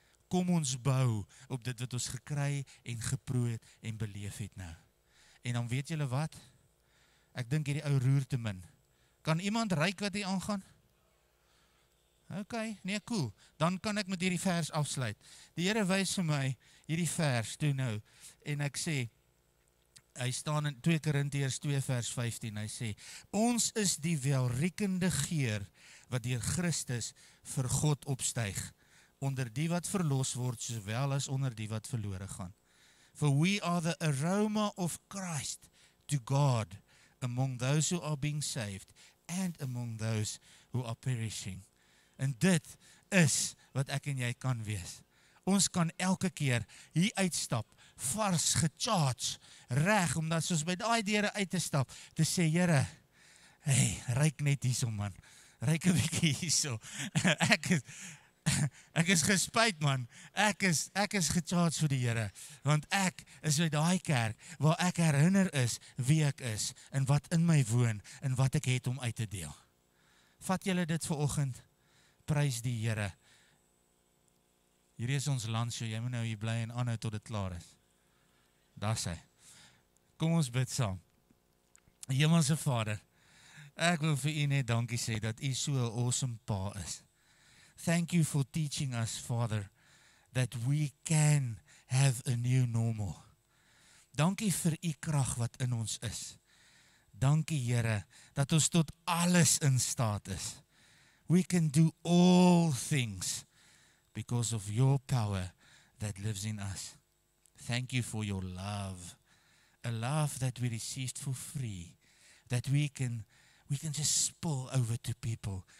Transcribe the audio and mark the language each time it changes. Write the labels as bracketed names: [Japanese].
[Afrikaans] Kom ons bou op dit wat ons gekry en geproe het en beleef het nou. En dan weet julle wat? Ek dink hierdie ou roer te min. Kan iemand ryk wat hier aangaan? Ok, nee, cool. Dan kan ek met hierdie vers afsluit. Die Here wys vir my hierdie vers toe nou en ek sê, hy staan in 2 Korintiërs 2 vers 15, hy sê, ons is die welriekende geur wat deur Christus vir God opstyg, onder die wat verlos word, sowel as onder die wat verlore gaan. [English] For we are the aroma of Christ to God among those who are being saved and among those who are perishing. [Afrikaans] En dit is wat ek en jy kan wees. Ons kan elke keer hier uitstap, vars gecharge, reg, omdat soos by daai deure uit te stap, te sê, Here, hey, ryk net hierso man, ryk 'n bietjie hierso. Ek is gespuit man, ek is gecharge vir die Here, want ek is by daai kerk waar ek herinner is wie ek is, en wat in my woon, en wat ek het om uit te deel. Vat julle dit vanoggend, prys die Here. Hierdie is ons landshow, jy moet nou hier bly en aanhou tot dit klaar is. Daar sê, kom ons bid saam. Hemelse Vader, ek wil vir u net dankie sê dat u so 'n awesome pa is. [English] Thank you for teaching us, Father, that we can have a new normal. [Afrikaans] Dankie vir u krag wat in ons is. Dankie Here, dat ons tot alles in staat is. [English] We can do all things because of your power that lives in us. Thank you for your love, a love that we received for free, that we can just spill over to people.